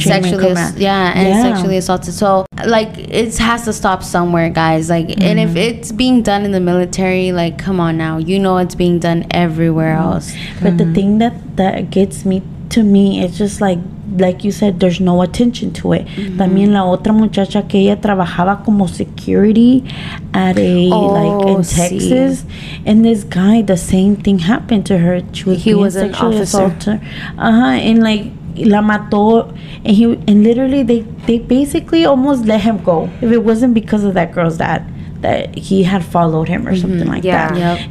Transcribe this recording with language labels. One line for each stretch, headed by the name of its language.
English: sexually assaulted. So like, it has to stop somewhere, guys. Like, and if it's being done in the military, like, come on now. You know it's being done everywhere else. But the thing that gets me to me it's just like you said, there's no attention to it. Mm-hmm.
Spanish: También la otra muchacha que ella trabajaba como
English: security at a Texas,
Spanish: sí.
English: And this guy, the same thing happened to her. He was an officer. And like
Spanish: la mató,
English: and literally they basically almost let him go if it wasn't because of that girl's dad. That he had followed him or mm-hmm. something like yeah. that. Yep.